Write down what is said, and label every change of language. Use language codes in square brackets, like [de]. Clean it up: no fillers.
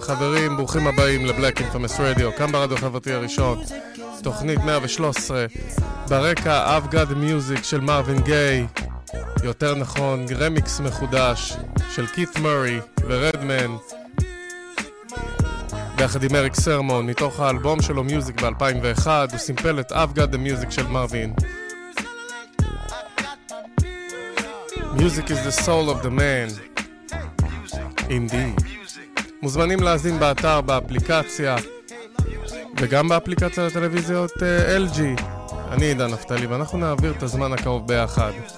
[he] חברים, ברוכים הבאים לבלק אינפמס רדיו. כאן ברדיו החברתי הראשון. תוכנית 113. ברקע, I've got the music של מרווין גיי. יותר נכון, רמיקס מחודש של קית' מורי ורדמן. יחד עם אריק סרמון, מתוך האלבום שלו מיוזיק ב-2001, הוא סימפל את I've got the music של מרווין. [en] Music is the soul of the man. Indeed. [he] מוזמנים להזין באתר, באפליקציה, וגם באפליקציה לטלוויזיות LG. אני עידן נפתלי, ואנחנו נעביר את הזמן הקרוב ביחד.